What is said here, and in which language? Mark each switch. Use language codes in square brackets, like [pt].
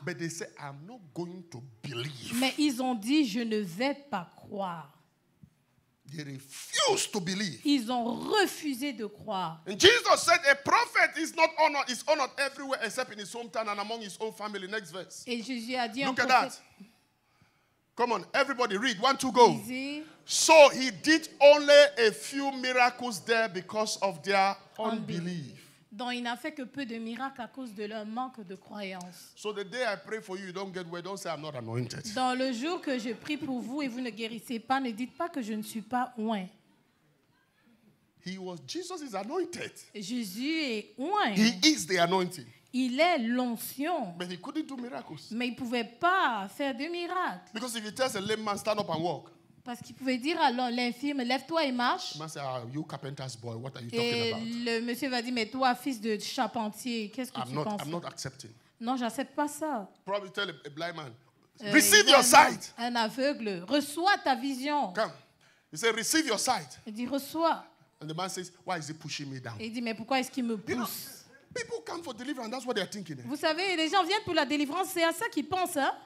[en] But they said, I'm not going to believe. [fr] Mais ils ont dit, je ne vais pas croire. [en] They refuse to believe. [fr] Ils ont refusé de croire. [en] And Jesus said, "A prophet is not honored; is honored everywhere except in his hometown and among his own family." Next verse. [fr] Et Jésus a dit, [en] "Look at that. Come on, everybody read. One, two, go. Easy. So he did only a few miracles there because of their unbelief. [fr] Donc il n'a fait que peu de miracles à cause de leur manque de croyance. [en] So the day I pray for you, you don't get well, don't say I'm not anointed. [fr] Dans le jour que je prie pour vous et vous ne guérissez pas, ne dites pas que je ne suis pas oint. [en] He was, Jesus is anointed. [fr] Jésus est oint. [en] He is the anointing. [fr] Il est l'onction. [en] But he couldn't do miracles. [fr] Mais il pouvait pas faire de miracles. [en] Because if he tells a lame man stand up and walk. [fr] Parce qu'il pouvait dire à l'infirme, lève-toi et marche. [en] Man say, are you carpenter's boy? What are you [fr] et [en] talking about? [fr] Le monsieur va dire, mais toi, fils de charpentier, qu'est-ce que [en] I'm [fr] tu [en] not, [fr] penses? [en] I'm not accepting. [fr] Non, j'accepte pas ça. [en] Probably tell a blind man, receive your sight. [fr] Un aveugle, reçois ta vision. [en] Come, he said, receive your sight. [fr] Il dit, reçois. [en] And the man says, why is he pushing me down? [fr] Il dit, mais pourquoi est-ce qu'il me pousse? [en] You know, people come for deliverance, that's what they are thinking. [fr] Vous savez, les gens viennent pour la délivrance, c'est à ça qu'ils pensent, hein?